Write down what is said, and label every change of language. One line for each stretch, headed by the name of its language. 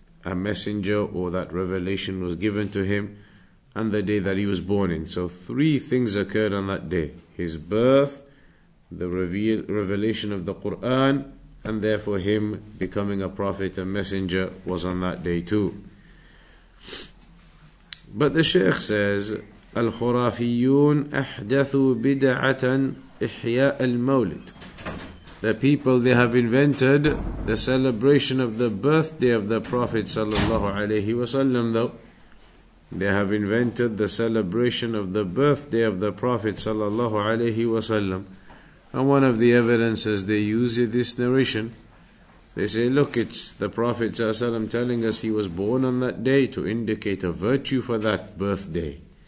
English: a messenger or that revelation was given to him, and the day that he was born in. So three things occurred on that day: his birth, the revelation of the Qur'an, and therefore him becoming a prophet and messenger was on that day too. But the Shaykh says,
Arabic: الخرافيون أحدثوا بدعة إحياء المولد.
English: The people, they have invented the celebration of the birthday of the Prophet sallallahu alayhi wasallam, though. They have invented the celebration of the birthday of the Prophet sallallahu alayhi wasallam. And one of the evidences they use is this narration. They say, look, it's the Prophet sallallahu alayhi wasallam telling us he was born on that day to indicate a virtue for that birthday.